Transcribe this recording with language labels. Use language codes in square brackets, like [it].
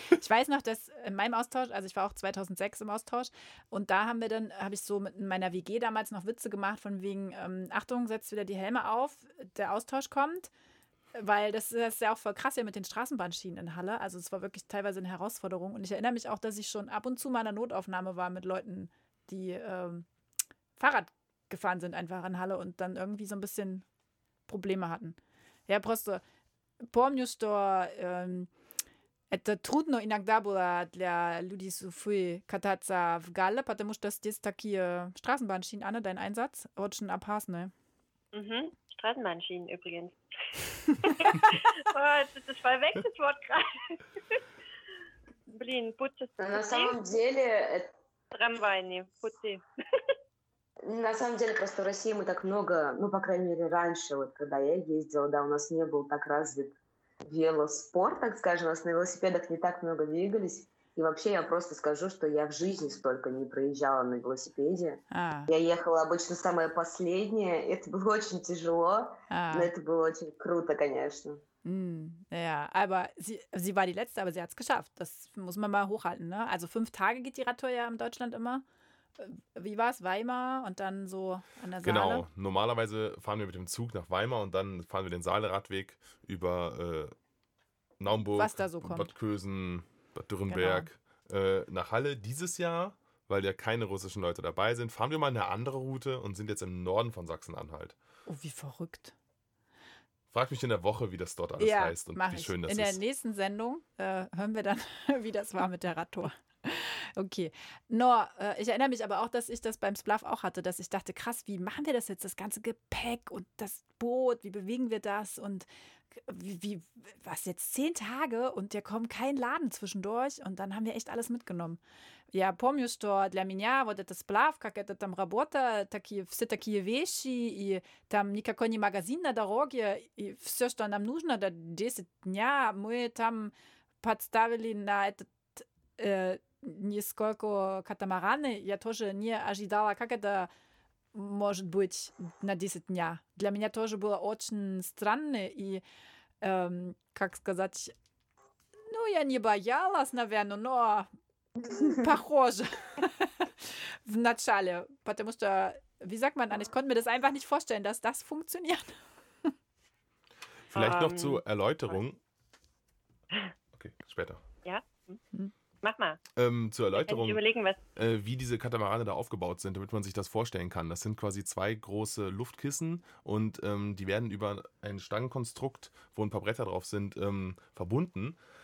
[de] Ich weiß noch, dass in meinem Austausch, also ich war auch 2006 im Austausch und da habe ich so mit meiner WG damals noch Witze gemacht von wegen, Achtung, setzt wieder die Helme auf, der Austausch kommt, weil das ist ja auch voll krass hier mit den Straßenbahnschienen in Halle, also es war wirklich teilweise eine Herausforderung und ich erinnere mich auch, dass ich schon ab und zu mal in der Notaufnahme war mit Leuten, die Fahrrad gefahren sind einfach in Halle und dann irgendwie so ein bisschen Probleme hatten. [ru] Ja, просто помню, что это трудно иногда было для людей с Уфы кататься в Галле, потому что здесь такие Straßenbahnschienen, [de] Anne, dein Einsatz, [ru] очень опасные. [de] Straßenbahnschienen übrigens. Das ist voll weg, das Wort gerade. [ru] Блин, пути. На самом деле... Трамвайные пути. На самом деле, просто в России мы так много, ну, по крайней мере, раньше, вот когда я ездила, да, у нас не был так развит велоспорт, так скажем, у нас на велосипедах не так много двигались. И вообще я просто скажу, что я в жизни столько не проезжала на велосипеде. Я ехала обычно самое последнее, это было очень тяжело, но это было очень круто, конечно. [de] Ja, aber sie war die Letzte, aber sie hat es geschafft. Das muss man mal hochhalten, ne? Also 5 Tage geht die Radtour ja in Deutschland immer. Wie war es? Weimar und dann so an der Saale? Genau, normalerweise fahren wir mit dem Zug nach Weimar und dann fahren wir den Saale-Radweg über Naumburg, was da so kommt. Bad Kösen, Bad Dürrenberg, genau. Nach Halle. Dieses Jahr, weil ja keine russischen Leute dabei sind, fahren wir mal eine andere Route und sind jetzt im Norden von Sachsen-Anhalt. Oh, wie verrückt. Frag mich in der Woche, wie das dort alles ja, heißt und wie schön das ist. In der nächsten Sendung hören wir dann, wie das war mit der Radtour. Okay. Noah, ich erinnere mich aber auch, dass ich das beim Splav auch hatte, dass ich dachte, krass, wie machen wir das jetzt, das ganze Gepäck und das Boot, wie bewegen wir das und wie was jetzt 10 Tage und da kommt kein Laden zwischendurch und dann haben wir echt alles mitgenommen. [ru] Ja, помню, что для меня вот это сплав, как это там работа, такие, все такие вещи, и там никакой не магазин на дороге, и все, что нам нужно, до 10 дня мы там подставили на этот несколько катамараны. Я тоже не ожидала, как это может быть на 10 дня. Для меня тоже было очень странно, и, как сказать, ну, я не боялась, наверное, но... Похоже. В начале. Потому что, [de] wie sagt man an, ich konnte mir das einfach nicht vorstellen, dass das funktioniert. Vielleicht noch zur Erläuterung. Okay, später. Ja, mach mal. Zur Erläuterung, überlegen, was... wie diese Katamarane da aufgebaut sind, damit man sich das vorstellen kann. Das sind quasi 2 große Luftkissen und die werden über ein Stangenkonstrukt, wo ein paar Bretter drauf sind, verbunden.